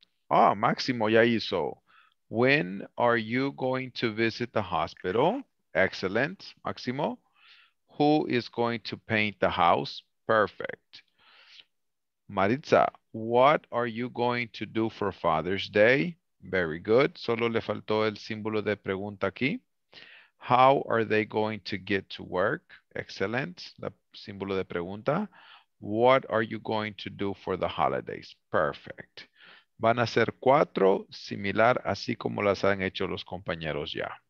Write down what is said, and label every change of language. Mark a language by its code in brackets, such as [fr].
[es] Oh, Maximo ya hizo. [en] When are you going to visit the hospital? Excellent, Maximo. Who is going to paint the house? Perfect. Maritza, what are you going to do for Father's Day? Very good. [es] Solo le faltó el símbolo de pregunta aquí. [en] How are they going to get to work? Excellent, [es] la símbolo de pregunta. [en] What are you going to do for the holidays? Perfect. [es] Van a ser cuatro, similar, así como las han hecho los compañeros ya.